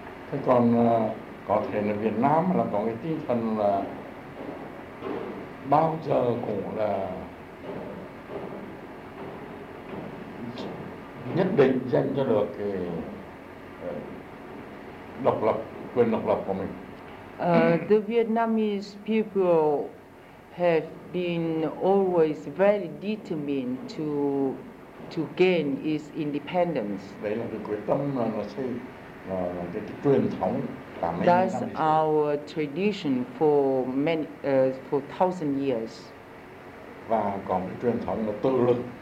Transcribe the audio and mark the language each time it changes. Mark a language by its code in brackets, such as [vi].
[vi] Thế còn có thể là Việt Nam là có cái tinh thần là bao giờ cũng là nhất định dành cho được cái độc lập, quyền độc lập của mình. [en] The Vietnamese people have been always very determined to gain its independence. [vi] Đấy là cái quyết tâm là xây cái truyền thống. [en] That's our tradition for many for thousand years. [vi] Và còn cái truyền thống là tự lực.